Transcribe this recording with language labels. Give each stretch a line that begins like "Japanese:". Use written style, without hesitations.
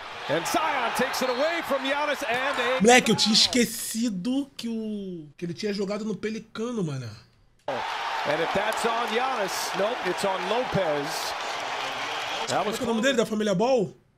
English: And Zion takes it away from Giannis and Aiden.
Portuguese: Moleque, eu tinha esquecido que ele tinha jogado no Pelicano, mano.
English: And if that's on Giannis, nope, it's on Lopez. That was the name of the family Ball.